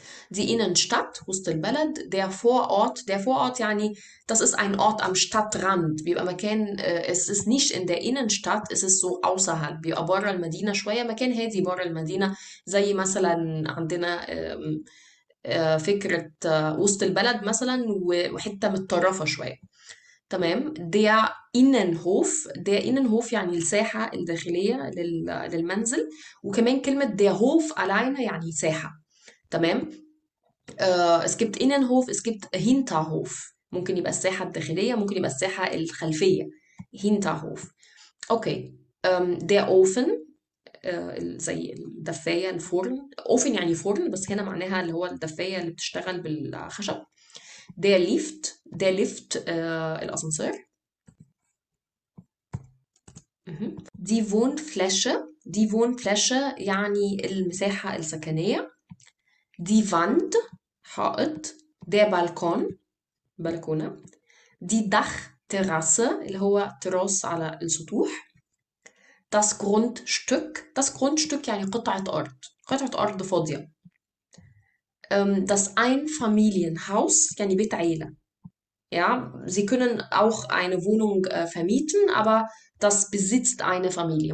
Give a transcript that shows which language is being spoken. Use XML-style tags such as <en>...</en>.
<de>Die Innenstadt,</de> <ar>وسط البلد,</ar> <de>der Vorort, der Vorort</de> <ar>يعني</ar> <de>das ist ein Ort am Stadtrand,</de> <ar>بيبقى مكان,</ar> <de>es ist nicht in der Innenstadt, es ist so außerhalb,</de> <ar>بيبقى برا المدينة شوية, مكان هادي برا المدينة, زي مثلا عندنا فكرة وسط البلد مثلا وحتة متطرفة شوية. تمام,</ar> <de>der Innenhof, der Innenhof</de> <ar>يعني الساحة الداخلية للمنزل, وكمان كلمة</ar> <de>der Hof alleine</de> <ar>يعني ساحة. تمام,</ar> <de>es gibt Innenhof, es gibt Hinterhof.</de> <ar>ممكن يبقى الساحة الداخلية, ممكن يبقى الساحة الخلفية.</ar> <de>Hinterhof. Okay. Der Ofen.</de> <ar>زي الدفاية, الفرن. Ofen يعني فرن, بس هنا معناها اللي هو الدفاية اللي بتشتغل بالخشب.</ar> <de>Der Lift. Der Lift.</de> <ar>الأسانسير.</ar> <de>Die Wohnfläche. Die Wohnfläche</de> <ar>يعني المساحة السكنية.</ar> <de>Die Wand.</de> <ar>حائط, der Balkon, بلكونة, die Dachterrasse, اللي هو تراس على السطوح,</ar> <de>das Grundstück, das Grundstück</de> <ar>يعني قطعة أرض, قطعة أرض فاضية, das Einfamilienhaus, يعني بيت عيلة.</ar> <de>Ja, Sie können auch eine Wohnung vermieten, aber das besitzt eine Familie.</de>